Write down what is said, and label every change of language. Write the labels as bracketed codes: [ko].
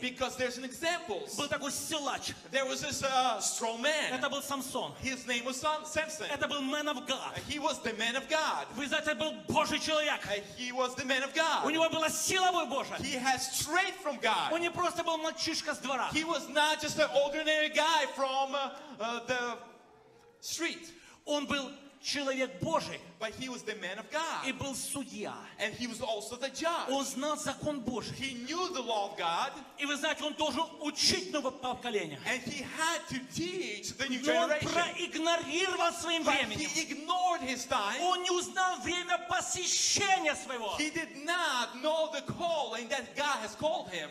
[en] Because there's an example. [ru] Был такой силач. [en] There was this strong man. [ru] Это был Самсон. [en] His name was Samson. [ru] Это был [en] man of God. He was the man of God. [ru] Вы знаете, был Божий человек. [en] He was the man of God. [ru] У него была сила Божия. [en] He had strength from God. [ru] Он не просто был мальчишка с двора. [en] He was not just an ordinary guy from the street. [ru] Он был человек Божий. [en] But he was the man of God. [ru] И был судья. [en] And he was also the judge. [ru] Он знал закон Божий. [en] He knew the law of God. [ru] И вы знаете, он должен учить новое поколение. [en] And he had to teach the new [ru] Но [en] generation. [ru] Но он проигнорировал своим [en] But [ru] временем. [en] He ignored his time. [ru] Он не узнал время посещения своего. [en] He did not know the calling that God has called him.